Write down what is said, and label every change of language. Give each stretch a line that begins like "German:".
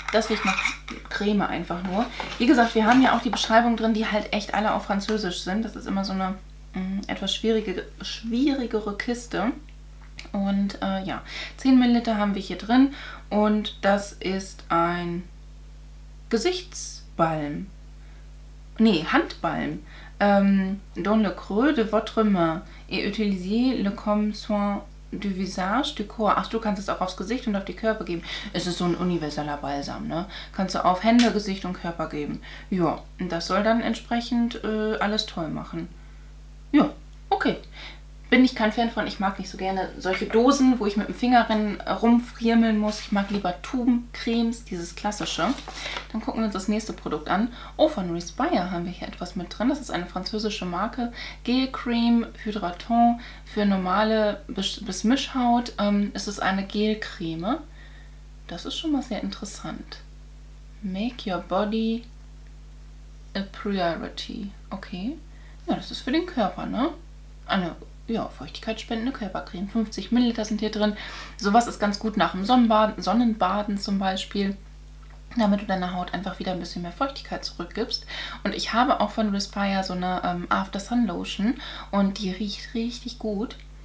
German: Das riecht nach Creme einfach nur. Wie gesagt, wir haben ja auch die Beschreibung drin, die halt echt alle auf Französisch sind. Das ist immer so eine etwas schwierigere Kiste. Und 10 ml haben wir hier drin. Und das ist ein Gesichtsbalm. Nee, Handbalm.
French: Dans le creux de votre main. Et utilisez le comme soin du visage, du corps.
German: Ach, du kannst es auch aufs Gesicht und auf die Körper geben. Es ist so ein universeller Balsam, ne? Kannst du auf Hände, Gesicht und Körper geben. Ja, das soll dann entsprechend alles toll machen. Ja, okay. Bin ich kein Fan von. Ich mag nicht so gerne solche Dosen, wo ich mit dem Finger rumfriemeln muss. Ich mag lieber Tubencremes, dieses klassische. Dann gucken wir uns das nächste Produkt an. Oh, von Respire haben wir hier etwas mit drin. Das ist eine französische Marke. Gelcreme Hydratant für normale bis Mischhaut. Es ist eine Gelcreme. Das ist schon mal sehr interessant.
English: Make your body a priority.
German: Okay. Ja, das ist für den Körper, ne? Eine feuchtigkeitsspendende Körpercreme. 50 ml sind hier drin. Sowas ist ganz gut nach dem Sonnenbaden zum Beispiel, damit du deiner Haut einfach wieder ein bisschen mehr Feuchtigkeit zurückgibst. Und ich habe auch von Respire so eine After Sun Lotion und die riecht richtig gut.